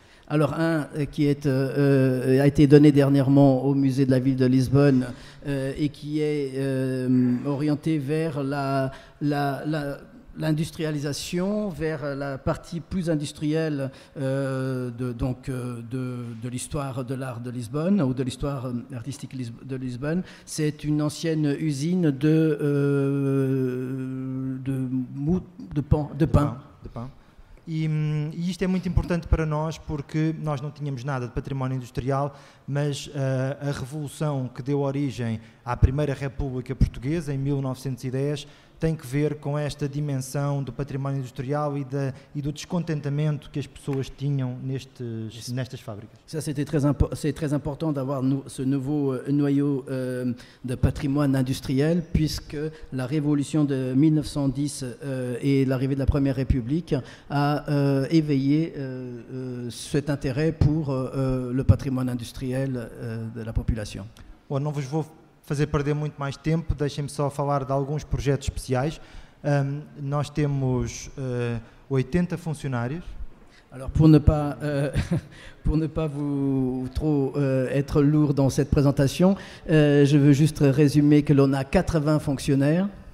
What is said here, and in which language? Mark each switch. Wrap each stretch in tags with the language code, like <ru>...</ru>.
<fr>Alors un qui est, a été donné dernièrement au musée de la ville de Lisbonne et qui est orienté vers l'industrialisation, vers la partie plus industrielle de l'histoire de l'art de Lisbonne ou de l'histoire artistique de Lisbonne. C'est une ancienne usine de pain.</fr> <pt>E isto é muito importante para nós porque nós não tínhamos nada de património industrial, mas a revolução que deu origem à Primeira República Portuguesa em 1910 tem que ver com esta dimensão do património industrial e do descontentamento que as pessoas tinham nestas fábricas. Isso é muito importante,</pt> <fr>d'avoir ce nouveau noyau de patrimoine industriel, puisque la révolution de 1910 et l'arrivée de la Première République a éveillé cet intérêt pour le patrimoine industriel de la population.</fr> <pt>Bom, não vos vou fazer perder muito mais tempo, deixem-me só falar de alguns projetos especiais. Nós temos 80 funcionários.</pt> <fr>Alors pour ne pas vous trop être lourd dans cette présentation, je veux juste résumer que l'on a 80 fonctionnaires.</fr>